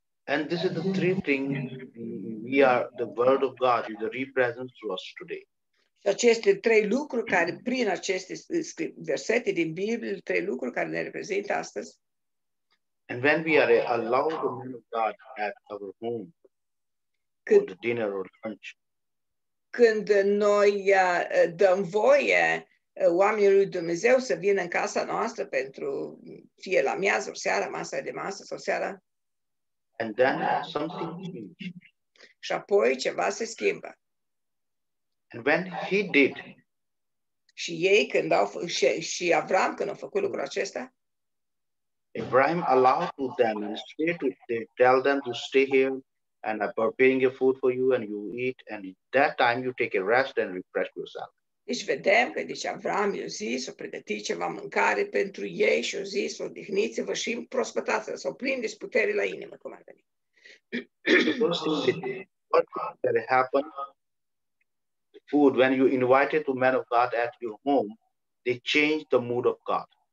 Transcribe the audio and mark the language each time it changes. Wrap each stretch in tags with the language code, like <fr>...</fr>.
<en>And this is the 3 things we are, the word of God is the represents to us today.</en> <ro>Aceste 3 lucruri care, prin aceste versete din Biblie, 3 lucruri care ne reprezintă astăzi.</ro> <en>And when we are allowed the man of God at our home for the dinner or lunch.</en> <ro>Când noi dăm voie oamenii lui Dumnezeu să vină în casa noastră pentru fie la miez, o seară, masa de masă sau seara.</ro> <en>And then something changed.</en> <ro>Și apoi ceva se schimbă.</ro> <en>And when he did.</en> <ro>Și ei când au și Avram când a făcut lucrul acesta.</ro> <en>Abraham allowed to them and stay to they tell them to stay here and I'm preparing a food for you and you eat and at that time you take a rest and refresh yourself.</en> <ro>Deci vedem că deci Avram i-a zis, o pregătiți ceva mâncare pentru ei și o zis, odihniți-vă și împrospătați-vă, s-o prindeți putere la inimă, cum ar veni.</ro> <en>What that happened, food, when you invited the man of God at your home, they changed the mood of God.</en>